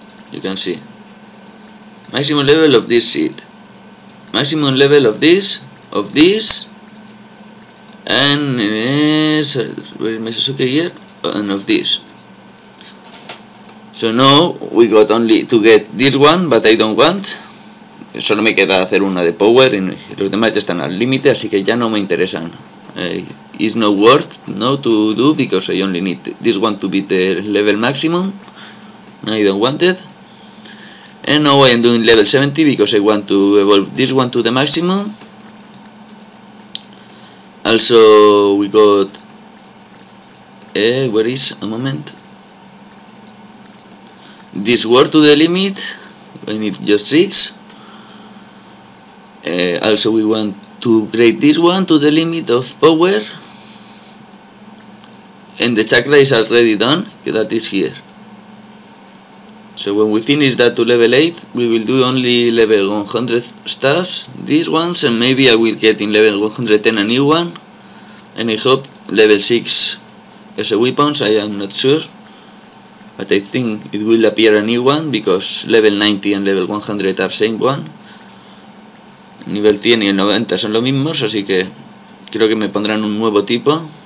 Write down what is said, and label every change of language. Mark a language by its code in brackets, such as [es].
[en] You can see. Maximum level of this seed. Maximum level of this. Of this. And where is my Sasuke here? And of this. So now we got only to get this one, but I don't want. [es] Solo me queda hacer una de power y los demás ya están al límite, así que ya no me interesan. [en] It's not worth now to do because I only need this one to beat the level maximum. I don't want it. And now I am doing level 70 because I want to evolve this one to the maximum. Also we got where is a moment? This word to the limit, I need just 6. Also we want to upgrade this one to the limit of power. And the chakra is already done, that is here. So when we finish that to level 8, we will do only level 100 stuffs, these ones, and maybe I will get in level 110 a new one. And I hope level 6 as a weapons, I am not sure. But I think it will appear a new one, because level 90 and level 100 are same one. [es] Nivel 100 y el 90 son los mismos, así que creo que me pondrán un nuevo tipo.